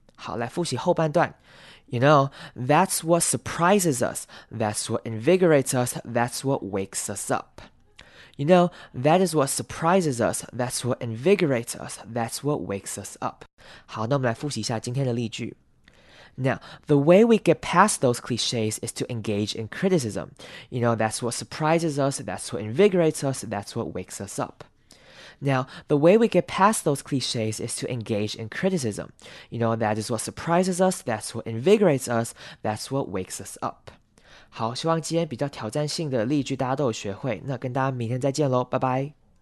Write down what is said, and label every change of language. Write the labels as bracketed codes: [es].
[zh] 好，来复习后半段。 [en] You know, that's what surprises us. That's what invigorates us. That's what wakes us up. You know, that is what surprises us. That's what invigorates us. That's what wakes us up. [zh] 好，那我们来复习一下今天的例句。 [en] Now, the way we get past those cliches is to engage in criticism. You know, that's what surprises us. That's what invigorates us. That's what wakes us up. Now, the way we get past those cliches is to engage in criticism. You know, that is what surprises us, that's what invigorates us, that's what wakes us up. [zh] 好，希望今天比较挑战性的例句大家都有学会，那跟大家明天再见咯，拜拜。